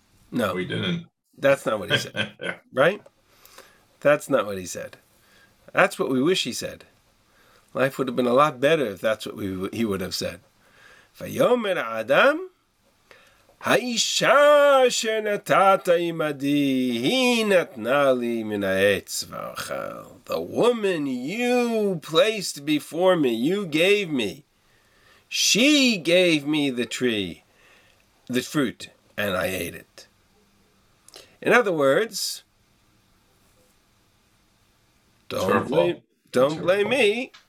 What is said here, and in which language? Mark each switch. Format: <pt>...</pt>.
<en>No. We didn't. That's not what he said. Yeah. Right? That's not what he said. That's what we wish he said. Life would have been a lot better if that's what he would have said.</en> <he>Vayomer Adam, האישה שנתת עמדי, היא נתנה לי מן העץ ואכל.</he> <en>The woman you placed before me, you gave me. She gave me the tree, the fruit, and I ate it. In other words, don't blame me.</en>